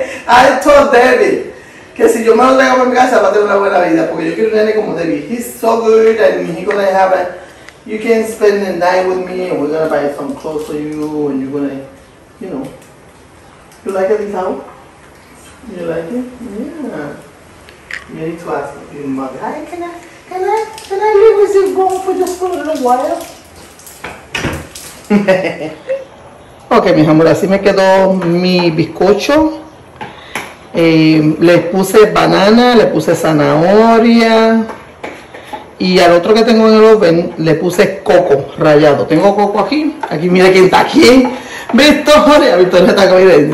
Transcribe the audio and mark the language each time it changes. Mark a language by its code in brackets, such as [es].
[en] I told David [es] que si yo me lo traigo en mi casa va a tener una buena vida porque yo quiero un nene como David. [en] He's so good and he's gonna have a you can spend the night with me and we're gonna buy some clothes for you and you're gonna you know you like this house? You like it? Yeah. You need to ask your mother. Hi, can I live with you boy for just for a little while? [es] Ok, mis amores, así me quedó mi bizcocho. Le puse banana, le puse zanahoria. Y al otro que tengo en el oven, le puse coco rallado. Tengo coco aquí. Aquí, mire quién está aquí. Victoria, Victoria está comiendo.